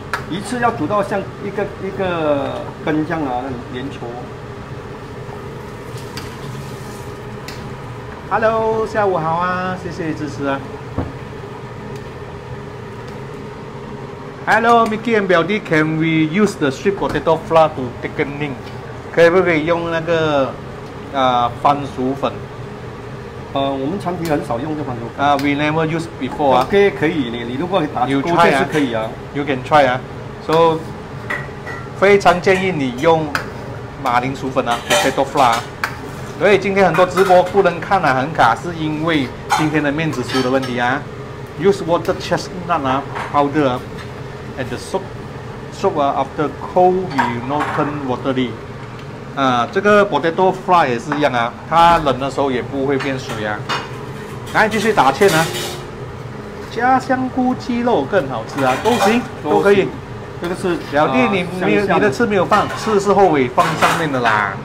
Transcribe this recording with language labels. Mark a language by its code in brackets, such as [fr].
[zh] 一次要煮到像一个根这样啊，粘稠。 Hello， 下午好啊，谢谢支持啊。 [en] Hello， Mickey and 表弟 ，Can we use the sweet potato flour to thickening？ [zh] 可以不可以用那个番薯粉？我们餐厅很少用这款豆腐。 [en] We never use before. [zh] OK, 可以，你如果打勾芡是可以啊。 [en] You can try 啊。 [zh] So, 非常建议你用马铃薯粉啊，或者豆腐啊。所以今天很多直播不能看啊，很卡，是因为今天的面子书的问题啊。 [en] Use water chestnut powder and the soup. Soup after cold, you not turn watery. [zh] 这个 potato fry 也是一样啊，它冷的时候也不会变水啊。来继续打芡啊，加香菇鸡肉更好吃啊，都行，都可以。这个是表弟，你的刺没有放，刺是后尾放上面的啦。